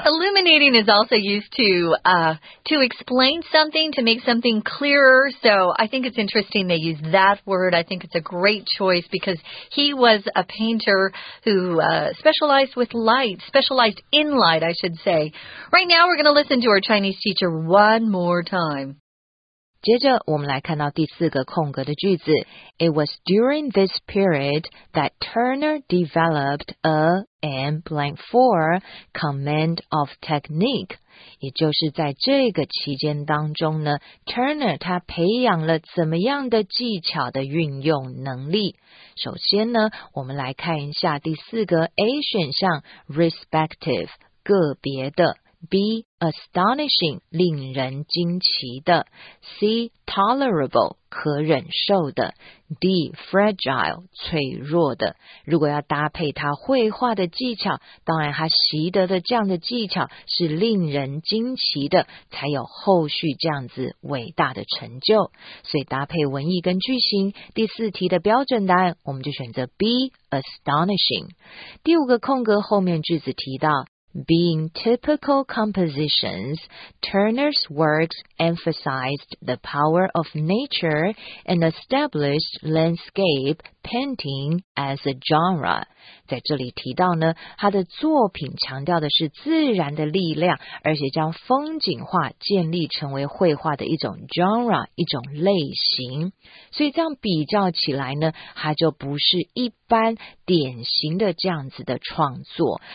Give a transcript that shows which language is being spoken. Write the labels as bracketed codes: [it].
[en] Illuminating is also used to explain something, to make something clearer. So I think it's interesting they use that word. I think it's a great choice because he was a painter who specialized with light, specialized in light, I should say. Right now, we're going to listen to our Chinese teacher one more time. [zh] 接着我们来看到第四个空格的句子。 [en] It was during this period that Turner developed a and blank for command of technique. [zh] 也就是在这个期间当中呢 ,Turner 他培养了怎么样的技巧的运用能力。首先呢我们来看一下第四个 A 选项 ,respective, 个别的。 B, astonishing, 令人惊奇的。 C, tolerable, 可忍受的。D, fragile, 脆弱的。如果要搭配他绘画的技巧，当然他习得的这样的技巧是令人惊奇的，才有后续这样子伟大的成就。所以搭配文艺跟句型，第四题的标准答案，我们就选择 B, astonishing。第五个空格后面句子提到 [en] Being typical compositions, Turner's works emphasized the power of nature and established landscape painting as a genre. [zh] 在这里提到呢，他的作品强调的是自然的力量，而且将风景画建立成为绘画的一种 genre, 一种类型。所以这样比较起来呢，他就不是一般典型的这样子的创作。